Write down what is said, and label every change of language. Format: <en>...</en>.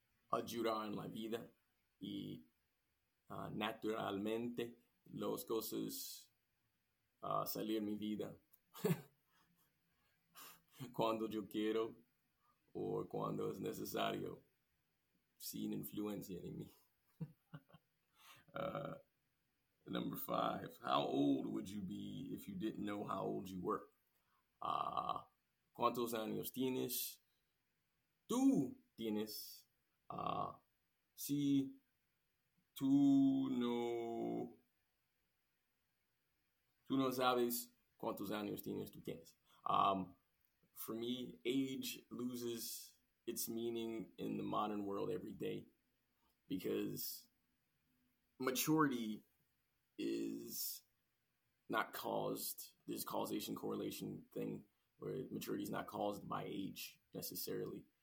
<es>ayudan la vida y naturalmente las cosas salir mi vida cuando yo quiero o cuando es necesario sin influencia de mí.</es> <en>Number five, how old would you be if you didn't know how old you were?</en> <es>¿Cuántos años tienes? Tú tienes. Si tú no sabes cuántos años tienes, tú tienes.</es> <en>For me, age loses its meaning in the modern world every day because maturity is not caused, this causation correlation thing where maturity is not caused by age necessarily.</en>